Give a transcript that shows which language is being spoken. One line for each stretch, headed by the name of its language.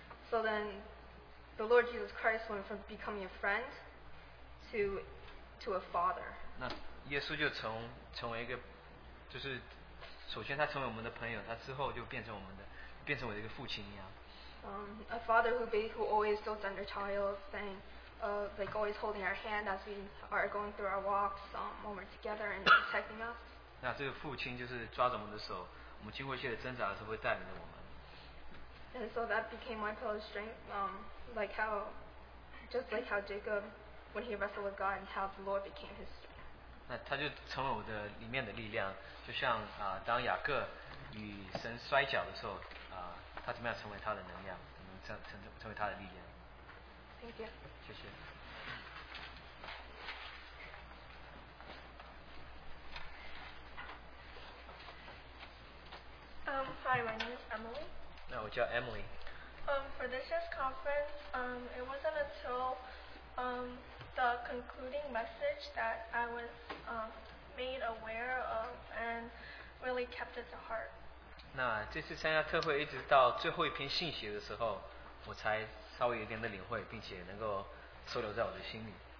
English: So then, the Lord Jesus Christ went from becoming a friend to a father.
Chinese: 那耶稣就成为一个，就是首先他成为我们的朋友，他之后就变成我的一个父亲一样。
English: A father who always goes under child, saying, like always holding our hand as we are going through our walks, when we're together and protecting us.
Chinese: 那这个父亲就是抓着我们的手，我们经过一些挣扎的时候会带领着我们。
English: And so that became my pillar of strength, like how, just like how Jacob, when he wrestled with God, and how the Lord became his strength.
Chinese: 那他就成为我的里面的力量，就像当雅各与神摔跤的时候，他怎么样成为他的能量，成为他的力量。
English: Thank you.
Chinese: 谢谢。
English: Hi, my name is Emily. No,
Chinese: 我叫 Emily.
English: For this year's conference, it wasn't until the concluding message that I was made aware of and really kept it to heart.
Chinese: 那这次参加特会一直到最后一篇信息的时候，我才稍微有点的领会，并且能够收留在我的心里。